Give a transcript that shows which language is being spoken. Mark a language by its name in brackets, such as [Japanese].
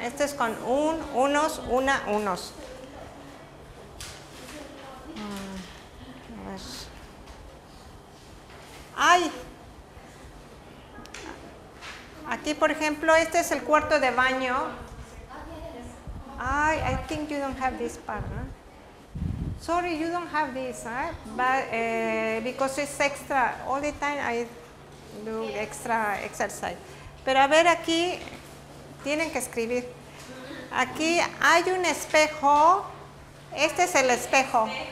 [Spanish] Este es con un, unos, una, unos. ¡Ay! Aquí, por ejemplo, este es el cuarto de baño. ¡Ay! [English] I think you don't have this part, ¿eh? Sorry, you don't have this, eh? But because it's extra, all the time I do extra exercise. [Spanish] Pero a ver aquí, tienen que escribir. Aquí hay un espejo, este es el espejo.